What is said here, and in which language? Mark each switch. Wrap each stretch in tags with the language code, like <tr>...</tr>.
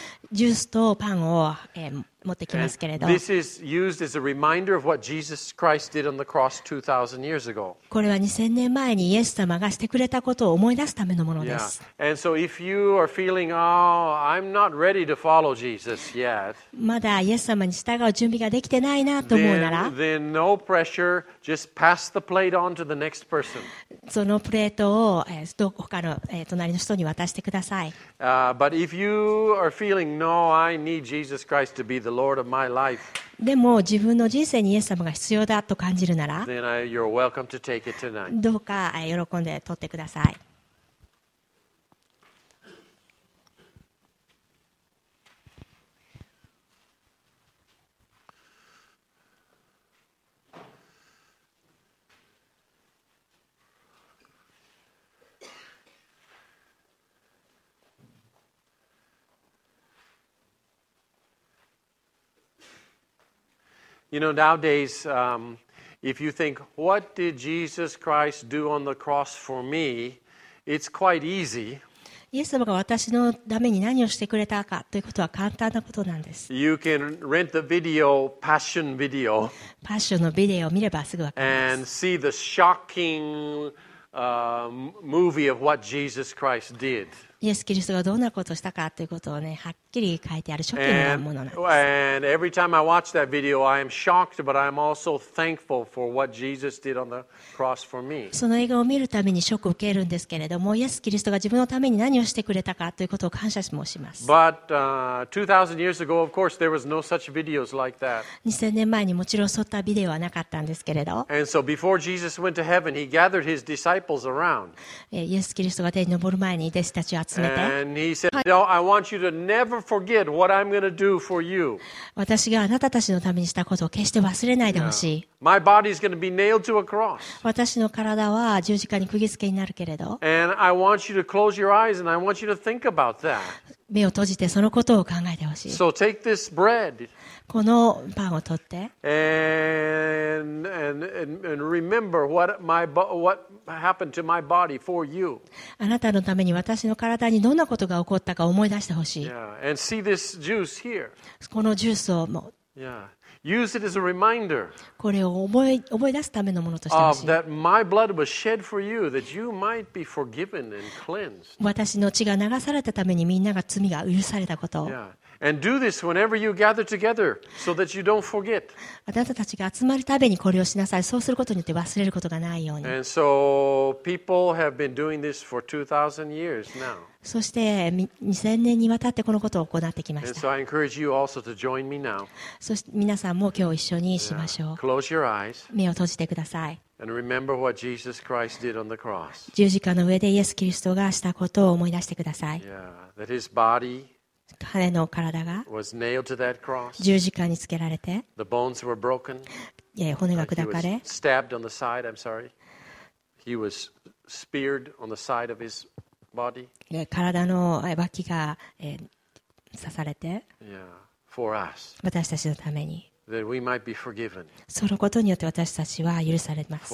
<ja>ジュースとパンを持ってきますけれど。</ja> <en>This is used as a reminder of what Jesus Christ did on the cross 2,000 years ago.</en> <ja>これは2000年前にイエス様がしてくれたことを思い出すためのものです。</ja> <en>Yeah. And so if you are feeling, oh, I'm not ready to follow Jesus yet.</en> <ja>まだイエス様に従う準備ができてないなと思うなら。</ja> <en>Then no pressure. Just pass the plate on to the next person.</en> <ja>そのプレートを他の隣の人に渡してください。</ja> <en>But if you are feeling, no, I need Jesus Christ to be the Lord of my life.</en> <ja>でも自分の人生にイエス様が必要だと感じるなら、</ja> <en>then you're welcome to take it tonight.</en> <ja>どうか喜んで取ってください。</ja> <en>You know, nowadays, if you think, what did Jesus Christ do on the cross for me? It's quite easy.</en> <ja>イエス様が私のために何をしてくれたかということは簡単なことなんです。</ja> <en>You can rent the video, Passion Video.</en> <ja>パッションのビデオを見ればすぐわかります。</ja> <en>And see the shocking, movie of what Jesus Christ did.</en> <ja>イエス・キリストがどんなことをしたかということをね、はっきり書いてあるショッキングなものなんです。</ja> <en>And every time I watch that video, I am shocked, but I am also thankful for what Jesus did on the cross for me.</en> <ja>その映画を見るためにショックを受けるんですけれども、イエス・キリストが自分のために何をしてくれたかということを感謝もします。</ja> <en>But 2,000 years ago, of course, there was no such videos like that.</en> <ja>2000年前にもちろんそういったビデオはなかったんですけれど。</ja> <en>And so before Jesus went to heaven, he gathered his disciples around.</en> <ja>イエス・キリストが天に昇る前に弟子たちは</ja> <en>And he said, "No, I want you to never forget what I'm going to do for you."</en> <ja>私があなたたちのためにしたことを決して忘れないでほしい。</ja> <en>My body is going to be nailed to a cross.</en> <ja>私の体は十字架に釘付けになるけれど。</ja> <en>And I want you to close your eyes and I want you to think about that.</en> <ja>目を閉じてそのことを考えてほしい。</ja> <en>So take this bread.</en> <ja>このパンを取って。</ja> <en>And remember what happened to my body for you.</en> <ja>あなたのために私の体にどんなことが起こったか思い出してほしい。</ja> <en>Yeah. And see this juice here.</en> <ja>このジュースをも。</ja> <en>Yeah. Use it as a reminder.</en> <ja>これを覚え出すためのものとしてほしい。</ja> <en>That my blood was shed for you, that you might be forgiven and cleansed.</en> <ja>私の血が流されたためにみんなが罪が許されたことを。</ja> <en>Yeah. And do this whenever you gather together, so that you don't forget.</en> <ja>あなたたちが集まるたびにこれをしなさい。そうすることによって忘れることがないように。</ja> <en>And so people have been doing this for 2,000 years now.</en> <ja>そして2000年にわたってこのことを行ってきました。</ja> <en>So、to join me now.</en> <ja>そして皆さんも今日一緒にしましょう。</ja> <en>Yeah. Close your eyes.</en> <ja>目を閉じてください。</ja> <en>And remember what Jesus Christ did on the cross.</en> <ja>十字架の上でイエス・キリストがしたことを思い出してください。</ja> <en>Yeah. That his body</en> <ja>彼の体が</ja> <en>was nailed to that cross.</en> <ja>十字架につけられて、</ja> <en>the bones were broken.</en> <ja>骨が砕かれ、</ja> <en>he was stabbed on the side. I'm sorry. He was speared on the side of his body.</en> <ja>体の脇が刺されて、</ja> <en>yeah, for us.</en> <ja>私たちのために。</ja> <en>that we might be forgiven.</en> <ja>そのことによって私たちは許されます。</ja>